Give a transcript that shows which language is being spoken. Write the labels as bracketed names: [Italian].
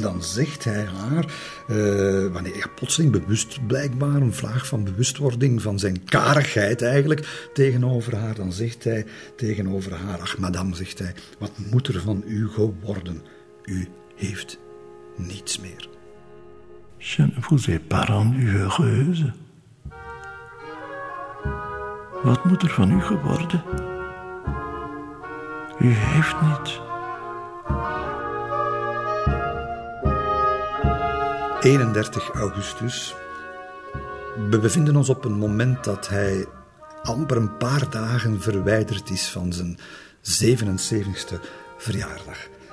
[Dutch] En dan zegt hij haar, wanneer hij plotseling bewust blijkbaar, een vraag van bewustwording van zijn karigheid eigenlijk tegenover haar, dan zegt hij tegenover haar, ach madame, zegt hij, wat moet er van u geworden? U heeft niets meer. [French] Je ne vous ai pas rendu heureuse. [Dutch] Wat moet er van u geworden? U heeft niets. 31 augustus. We bevinden ons op een moment dat hij amper een paar dagen verwijderd is van zijn 77ste verjaardag.